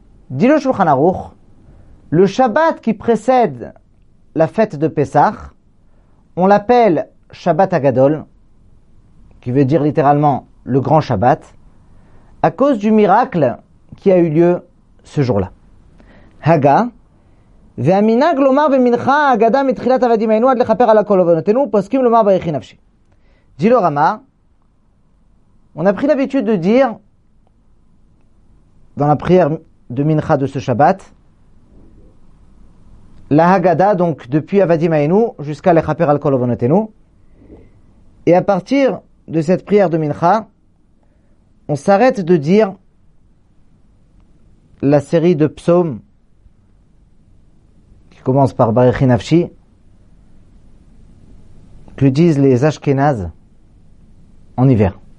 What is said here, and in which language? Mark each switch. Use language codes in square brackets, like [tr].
[fr] Dit le Shulchan Aruch, le Shabbat qui précède la fête de Pessah, on l'appelle Shabbat haGadol, qui veut dire littéralement le grand Shabbat, à cause du miracle qui a eu lieu ce jour-là. [he] Haga והמנהג לומר במנחה האגדה מתחילת עבדים היינו עד לכפר על הכל עבונותינו פוסקים לומר ברכי נפשי. [fr] דיל לא רמה, on a pris l'habitude de dire dans la prière de Mincha de ce Shabbat la Haggadah, donc depuis [he] עבדים היינו [fr] jusqu'à [he] לכפר על כל עבונותינו, [fr] et à partir de cette prière de Mincha on s'arrête de dire la série de psaumes commence par Barichi Nafshi, que disent les Ashkénazes en hiver.